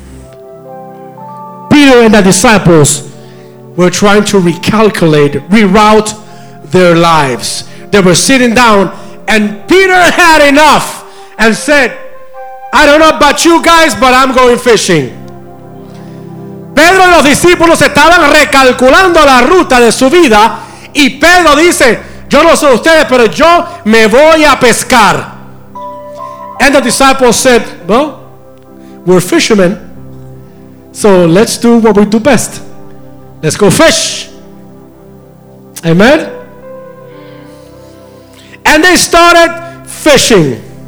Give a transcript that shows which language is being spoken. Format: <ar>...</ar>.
<en>Peter and the disciples were trying to recalculate, reroute their lives. They were sitting down, and Peter had enough and said, I don't know about you guys, but I'm going fishing.</en> <es>Pedro y los discípulos estaban recalculando la ruta de su vida, y Pedro dice, yo no sé ustedes, pero yo me voy a pescar.</es> <en>And the disciples said, well, we're fishermen, so let's do what we do best. Let's go fish. Amen? And they started fishing.</en>